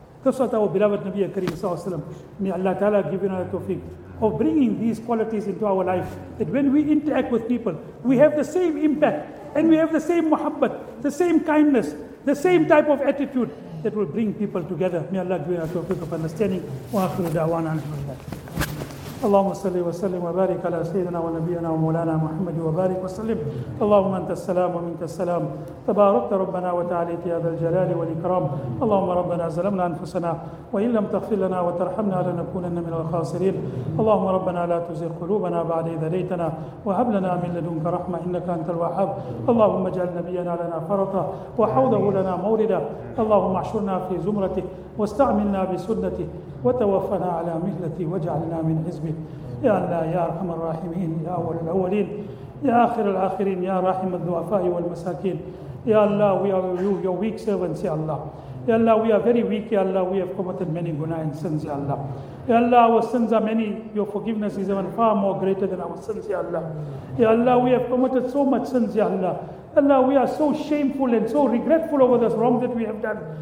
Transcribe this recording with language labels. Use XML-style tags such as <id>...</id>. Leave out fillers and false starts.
<en>This was our beloved Nabi Karim sallallahu alaihi wasallam. May Allah Ta'ala give you another tawfiq of bringing these qualities into our life. That when we interact with people, we have the same impact. And we have the same muhabbat, the same kindness, the same type of attitude that will bring people together. May Allah give you another tawfiq of understanding. Wa akhiru da'wana alhamdulillah.</en> <ar>اللهم صل وسلم وبارك على سيدنا ونبينا ومولانا محمد وبارك وسلم. اللهم انت السلام ومنك السلام، تباركت ربنا وتعاليت يا ذا الجلال والاكرام. اللهم ربنا ظلمنا انفسنا وان لم تغفر لنا وترحمنا لنكونن من الخاسرين. اللهم ربنا لا تزغ قلوبنا بعد اذ هديتنا وهب لنا من لدنك رحمه انك انت الوهاب. اللهم اجعل نبينا لنا فرطا وحوضه لنا موردا. اللهم احشرنا في زمرته واستعملنا بسنته وتوفنا على ملته واجعلنا من حزبه. يا الله يا ارحم الراحمين، يا اول الاولين، يا اخر الاخرين، يا راحم الضعفاء والمساكين.</ar> <en>يا الله، we are your weak servants. يا الله، يا الله، we are very weak. يا الله، we have committed many guna and sins. يا الله، يا الله، our sins are many. Your forgiveness is even far more greater than our sins. يا الله، يا الله، we have committed so much sins. يا الله، Allah, we are so shameful and so regretful over this wrong that we have done.</en>